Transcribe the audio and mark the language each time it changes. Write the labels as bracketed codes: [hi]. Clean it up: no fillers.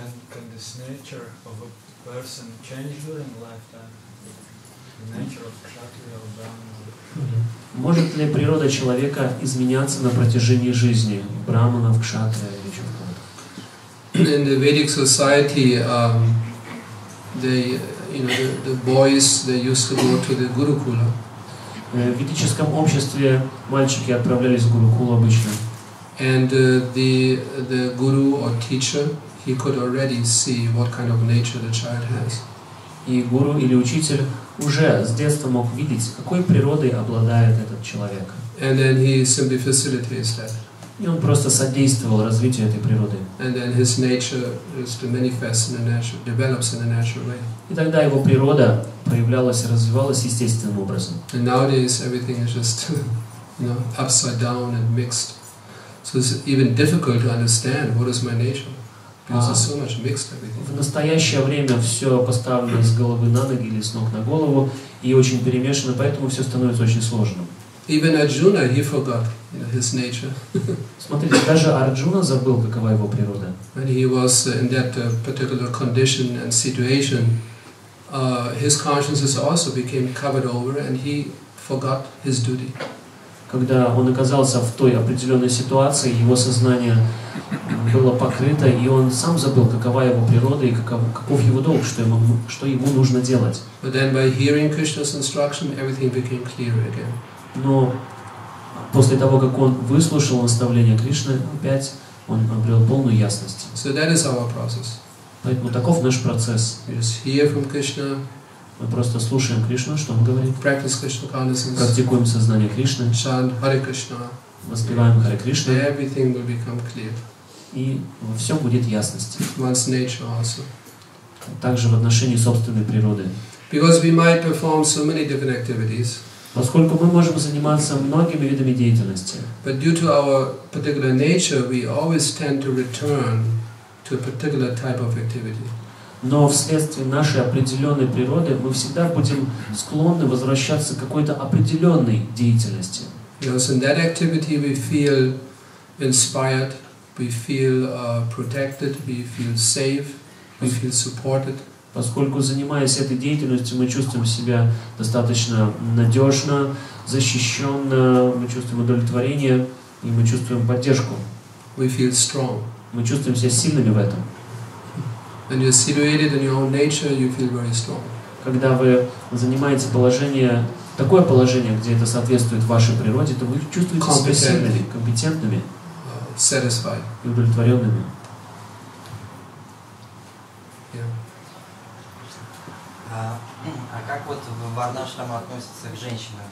[en] Can this nature of a person change during lifetime? The nature of kshatriya or brahmana? [ru] Может ли природа человека изменяться на протяжении жизни брахманов, кшатрия или чего-то? [en] In the Vedic society, the boys they used to go to the Gurukula. [ru] В ведическом обществе мальчики отправлялись в Гурукулу обычно. [en] And the guru or teacher he could already see what kind of nature the child has. [ru] И гуру или учитель уже с детства мог видеть, какой природой обладает этот человек. [en] And then he simply facilitates that. [ru] И он просто содействовал развитию этой природы. [en] And then his nature is to manifest in a natural, develops in a natural way. [ru] И тогда его природа проявлялась и развивалась естественным образом. [en] And nowadays everything is just upside down and mixed. So it's even difficult to understand what is my nature. So much mixed everything. [ru] В настоящее время все поставлено с головы на ноги или с ног на голову и очень перемешано, поэтому все становится очень сложным. [en] Even Arjuna, he forgot his nature. [ru] Смотрите, даже Арджуна забыл, какова его природа. [en] When he was in that particular condition and situation, his consciousness also became covered over, and he forgot his duty. [ru] Когда он оказался в той определенной ситуации, его сознание было покрыто, и он сам забыл, какова его природа и каков его долг, что ему нужно делать. [en] But then by hearing Krishna's instruction, everything became clearer again. [ru] Но после того, как он выслушал наставление Кришны, опять он обрел полную ясность. [en] So that is our process. [ru] Поэтому таков наш процесс. [en] Yes, hear from Krishna. [ru] Мы просто слушаем Кришну, что Он говорит. [en] Practice Krishna consciousness. [ru] Практикуем сознание Кришны. [en] Chant Hare Krishna. [ru] Воспеваем Hare Krishna. [en] Everything will become clear. [ru] И во всем будет ясность. [en] One's nature also. [ru] Также в отношении собственной природы. [en] Because we might perform so many different activities. [ru] Поскольку мы можем заниматься многими видами деятельности. [en] But due to our particular nature, we always tend to return to a particular type of activity. [ru] Но вследствие нашей определенной природы мы всегда будем склонны возвращаться к какой-то определенной деятельности. [en] Because in that activity we feel inspired, we feel protected, we feel safe, we feel supported. [ru] Поскольку занимаясь этой деятельностью, мы чувствуем себя достаточно надежно, защищенно, мы чувствуем удовлетворение и мы чувствуем поддержку. [en] We feel strong. [ru] Мы чувствуем себя сильными в этом. [en] When you're situated in your own nature, you feel very strong. [ru] Когда вы занимаете положение, такое положение, где это соответствует вашей природе, то вы чувствуете себя сильными, компетентными, [en] satisfied. [ru] И удовлетворенными. А как вот в варнашрама относится к женщинам?